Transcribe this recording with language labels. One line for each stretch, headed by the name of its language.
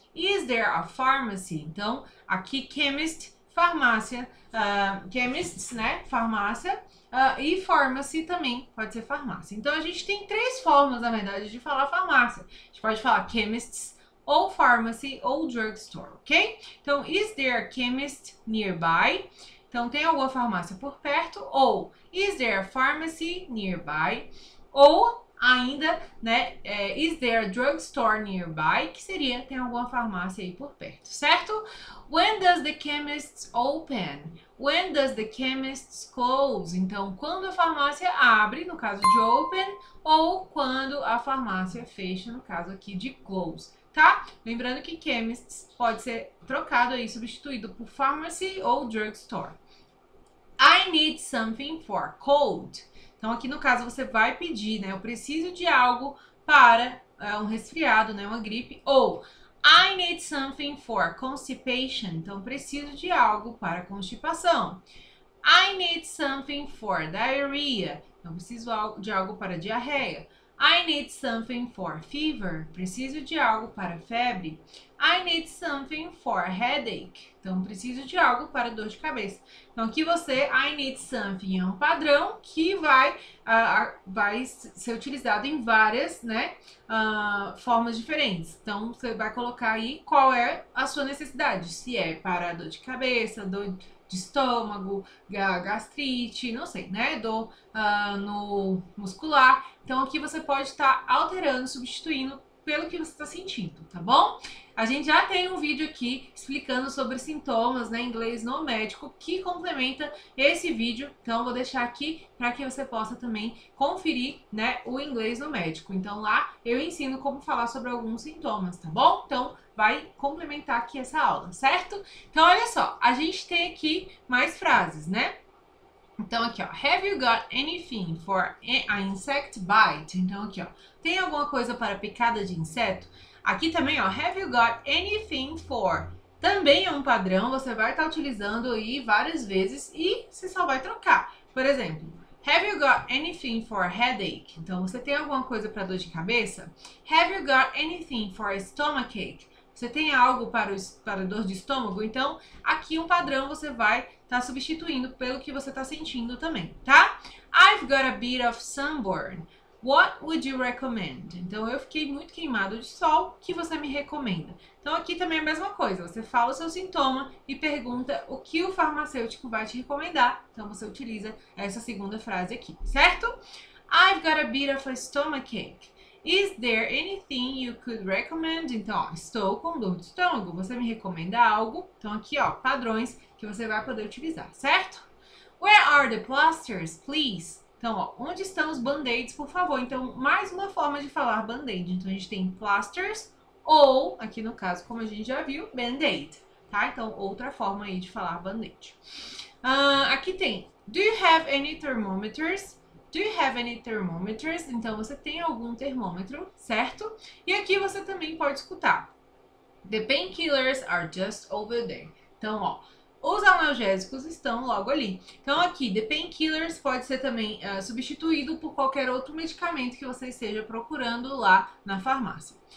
English: Is there a pharmacy?
Portuguese: Então, aqui, chemist, farmácia, chemists, né? Farmácia. E pharmacy também pode ser farmácia. Então a gente tem três formas, na verdade, de falar farmácia. A gente pode falar chemists, ou pharmacy, ou drugstore, ok?
English: Então, is there a chemist nearby?
Portuguese: Então, tem alguma farmácia por perto?
English: Ou is there a pharmacy nearby?
Portuguese: Ou ainda, né,
English: is there a drugstore nearby?
Portuguese: Que seria, tem alguma farmácia aí por perto, certo?
English: When does the chemist open? When does the chemist close?
Portuguese: Então, quando a farmácia abre, no caso de open, ou quando a farmácia fecha, no caso aqui de close, tá? Lembrando que chemists pode ser trocado aí, substituído por pharmacy ou drugstore.
English: I need something for cold.
Portuguese: Então, aqui no caso você vai pedir, né? Eu preciso de algo para um resfriado, né? Uma gripe.
English: Ou I need something for constipation.
Portuguese: Então, preciso de algo para constipação.
English: I need something for diarrhea.
Portuguese: Então, preciso de algo para diarreia.
English: I need something for fever.
Portuguese: Preciso de algo para febre.
English: I need something for headache.
Portuguese: Então, preciso de algo para dor de cabeça. Então, aqui você,
English: I need something,
Portuguese: é um padrão que vai ser utilizado em várias, né, formas diferentes. Então, você vai colocar aí qual é a sua necessidade. Se é para dor de cabeça, dor de estômago, gastrite, não sei, né, dor no muscular. Então, aqui você pode estar alterando, substituindo pelo que você está sentindo, tá bom? A gente já tem um vídeo aqui explicando sobre sintomas, né, inglês no médico, que complementa esse vídeo. Então, vou deixar aqui para que você possa também conferir, né, o inglês no médico. Então, lá eu ensino como falar sobre alguns sintomas, tá bom? Então, vai complementar aqui essa aula, certo? Então, olha só, a gente tem aqui mais frases, né? Então, aqui, ó.
English: Have you got anything for a insect bite?
Portuguese: Então, aqui, ó. Tem alguma coisa para picada de inseto? Aqui também, ó.
English: Have you got anything for?
Portuguese: Também é um padrão, você vai estar utilizando aí várias vezes e você só vai trocar. Por exemplo,
English: Have you got anything for headache?
Portuguese: Então, você tem alguma coisa para dor de cabeça?
English: Have you got anything for stomachache?
Portuguese: Você tem algo para dor de estômago? Então, aqui um padrão você vai estar substituindo pelo que você está sentindo também, tá?
English: I've got a bit of sunburn. What would you recommend?
Portuguese: Então, eu fiquei muito queimado de sol, que você me recomenda? Então, aqui também é a mesma coisa. Você fala o seu sintoma e pergunta o que o farmacêutico vai te recomendar. Então, você utiliza essa segunda frase aqui, certo?
English: I've got a bit of a stomachache. Is there anything you could recommend?
Portuguese: Então, ó, estou com dor de estômago. Você me recomenda algo? Então, aqui, ó, padrões que você vai poder utilizar, certo?
English: Where are the plasters, please?
Portuguese: Então, ó, onde estão os band-aids, por favor? Então, mais uma forma de falar band-aid. Então, a gente tem plasters ou, aqui no caso, como a gente já viu, band-aid, tá? Então, outra forma aí de falar band-aid. Aqui tem:
English: Do you have any thermometers? Do you have any thermometers?
Portuguese: Então você tem algum termômetro, certo? E aqui você também pode escutar:
English: The painkillers are just over there.
Portuguese: Então, ó, os analgésicos estão logo ali. Então, aqui, the painkillers pode ser também substituído por qualquer outro medicamento que você esteja procurando lá na farmácia.